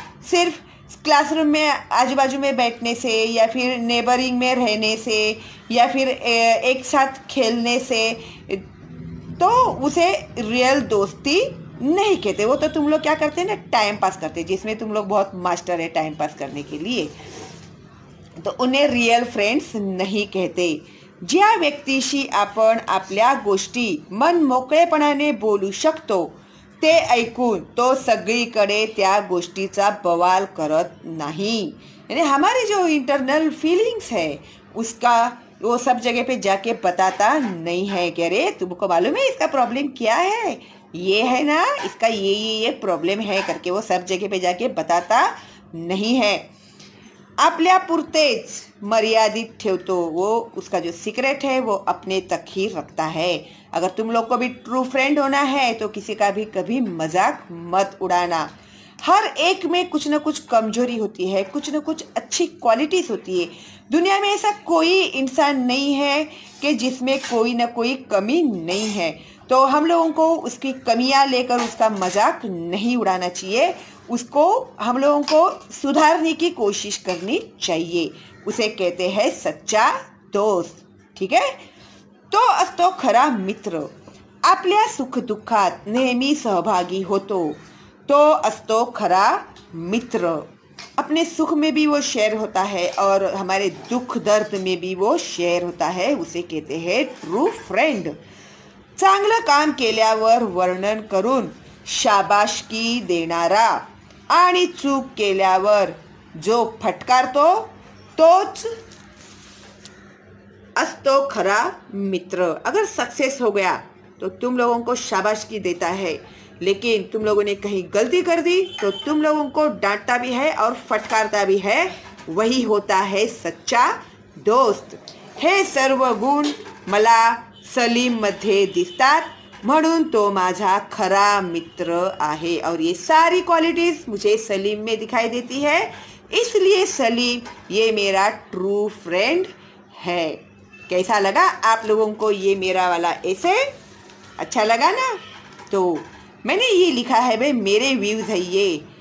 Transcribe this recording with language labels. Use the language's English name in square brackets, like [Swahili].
[Hindi] सिर्फ क्लासरूम में आजूबाजू में बैठने से या फिर नेबरिंग में रहने से या फिर एक साथ खेलने से तो उसे रियल दोस्ती नहीं कहते. वो तो तुम लोग क्या करते हैं ना, टाइम पास करते, जिसमें तुम लोग बहुत मास्टर है टाइम पास करने के लिए, तो उन्हें रियल फ्रेंड्स नहीं कहते. [Marathi] ज्या व्यक्तीशी आपण आपल्या गोष्टी मन मोकळेपणाने बोलू शकतो ते ऐकून तो सगळीकडे त्या गोष्टीचा बवाल करत नाही. [Hindi] यानी हमारे जो इंटरनल फीलिंग्स है उसका वो सब जगह पे जाके बताता नहीं है. कह रहे तुमको मालूम है इसका प्रॉब्लम क्या है, ये है ना, इसका ये प्रॉब्लम है करके वो सब जगह पे जाके बताता नहीं है. [Marathi] आपल्या पुरतेच मर्यादित ठेवतो, [Hindi] वो उसका जो सीक्रेट है वो अपने तक ही रखता है. अगर तुम लोग को भी ट्रू फ्रेंड होना है तो किसी का भी कभी मजाक मत उड़ाना. हर एक में कुछ ना कुछ कमजोरी होती है, कुछ ना कुछ अच्छी क्वालिटीज होती है. दुनिया में ऐसा कोई इंसान नहीं है कि जिसमें कोई ना कोई कमी नहीं है. तो हम लोगों को उसकी कमियां लेकर उसका मजाक नहीं उड़ाना चाहिए, उसको हम लोगों को सुधारने की कोशिश करनी चाहिए. उसे कहते हैं सच्चा दोस्त. [Marathi] ठीक है, तो असतो खरा मित्र. आपल्या सुख दुखात नेहमी सहभागी होतो तो असतो खरा मित्र. [Hindi] अपने सुख में भी वो शेयर होता है और हमारे दुख दर्द में भी वो शेयर होता है, उसे कहते हैं ट्रू फ्रेंड. [Marathi] चांगलं काम केल्यावर वर्णन करून शाबाशकी देणारा आणि चूक केल्यावर जो फटकारतो तोच असतो खरा मित्र. [Hindi] अगर सक्सेस हो गया तो तुम लोगों को शाबाशकी देता है, लेकिन तुम लोगों ने कहीं गलती कर दी तो तुम लोगों को डांटता भी है और फटकारता भी है, वही होता है सच्चा दोस्त. [Marathi] हे सर्व गुण मला सलीम मध्ये दिसतात म्हणून तो माझा खरा मित्र आहे. [Hindi] और ये सारी क्वालिटीज मुझे सलीम में दिखाई देती है, इसलिए सलीम ये मेरा ट्रू फ्रेंड है. कैसा लगा आप लोगों को ये मेरा वाला ऐसे? अच्छा लगा ना? तो मैंने ये लिखा है भाई, मेरे व्यूज है ये.